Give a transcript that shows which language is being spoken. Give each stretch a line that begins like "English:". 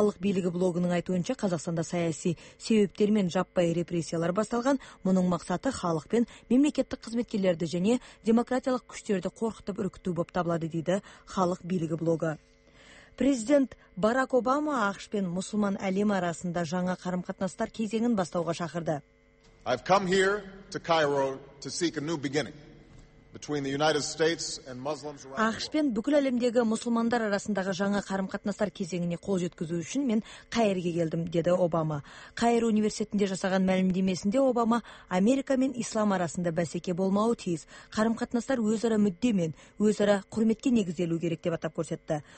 Kazakh: Билігі блогының айтуынша, Қазақстанда саяси себептермен жаппай репрессиялар басталған, мұның мақсаты халық пен мемлекеттік қызметкерлерді және демократиялық күштерді қорқытып үркіту болып табылады дейді халық билігі блогы. Президент Барак Обама ақш пен мұсылман әлемі арасында жаңа қарым-қатынастар кезеңін бастауға шақырды.
English: I've come here to Cairo to seek a new beginning. Between the United States and Muslims around.
Kazakh: Ақш пен бүкіл әлемдегі мұсылмандар арасындағы жаңа қарым-қатынастар кезеңіне қол жеткізу үшін мен Қайырға келдім, деді Обама. Қайыр университетінде жасаған мәлімдемесінде Обама Америка мен ислам арасында бәсеке болмауы тиіс. Қарым-қатынастар өзара мүдде мен өзара құрметке негізделу керек деп атап көрсетті.